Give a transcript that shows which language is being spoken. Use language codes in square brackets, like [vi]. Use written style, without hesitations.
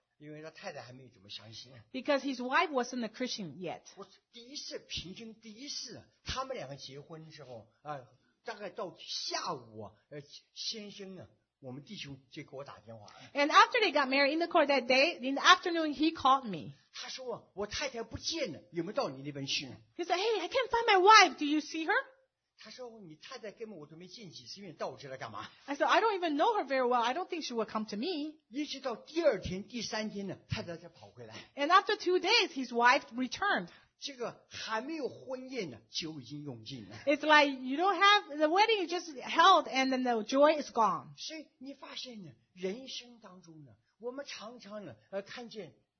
[zh] 因为他太太还没有怎么相信。 [en] Because his wife wasn't a Christian yet. [zh] 我第一次平均第一次，他们两个结婚的时候大概到下午先生呢，我们弟兄就给我打电话。 [en] And after they got married in the court that day, in the afternoon he called me. [zh] 他说我太太不见了，有没有到你那边去呢？ [en] He said, Hey, I can't find my wife. Do you see her? [zh] 他说你太太根本我都没见几次面，到我这来干嘛？ [en] I said, I don't even know her very well. I don't think she will come to me. [zh] 一直到第二天、第三天呢，太太才跑回来。 [en] And after 2 days, his wife returned. [zh] 这个还没有婚宴呢，酒已经用尽了。 [en] It's like you don't have the wedding, you just held, and then the joy is gone. [zh] 所以你发现呢，人生当中呢，我们常常呢，看见。